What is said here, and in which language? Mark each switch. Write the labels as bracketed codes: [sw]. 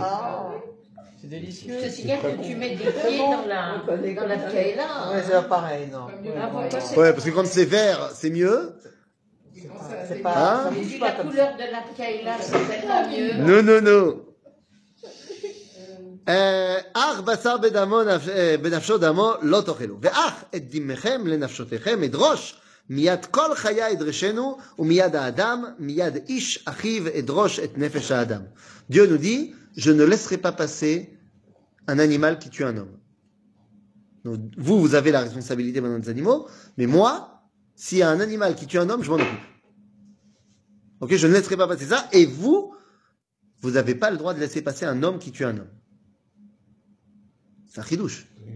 [fr] Oh. C'est délicieux. C'est bien que tu mets des pieds bon, dans la caille là. Hein. Ouais, c'est pareil, non. Ouais, ouais, parce que quand c'est vert, c'est mieux. C'est pas la couleur de la caille là, c'est pas mieux. Non. [he] אַר בשר בדמו בנפשו דמו לא תאכלו. ואַר את דמכם לנפשותיכם אדרוש מיד כל חיה ידרשנו ומיד האדם מיד איש אחיו אדרוש את נפש האדם. [fr] Dieu nous dit, je ne laisserai pas passer un animal qui tue un homme. Donc, vous avez la responsabilité maintenant des animaux, mais moi, s'il y a un animal qui tue un homme, je m'en occupe. Ok, je ne laisserai pas passer ça, et vous n'avez pas le droit de laisser passer un homme qui tue un homme. C'est un chidouche.